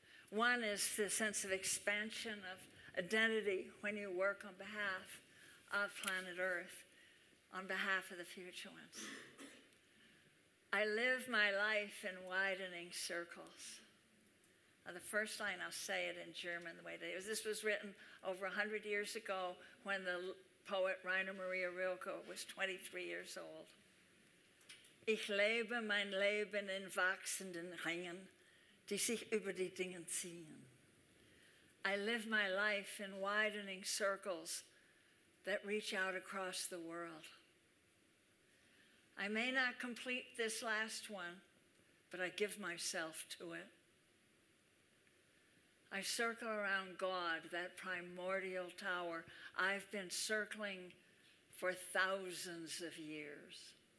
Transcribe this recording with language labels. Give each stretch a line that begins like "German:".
English: One is the sense of expansion of identity when you work on behalf of planet Earth, on behalf of the future ones. I live my life in widening circles. Now, the first line, I'll say it in German the way that it is. This was written over 100 years ago when the poet Rainer Maria Rilke was 23 years old.
German: Ich lebe mein Leben in wachsenden Ringen, die sich über die Dinge ziehen.
English: I live my life in widening circles that reach out across the world. I may not complete this last one, but I give myself to it. I circle around God, that primordial tower I've been circling for thousands of years.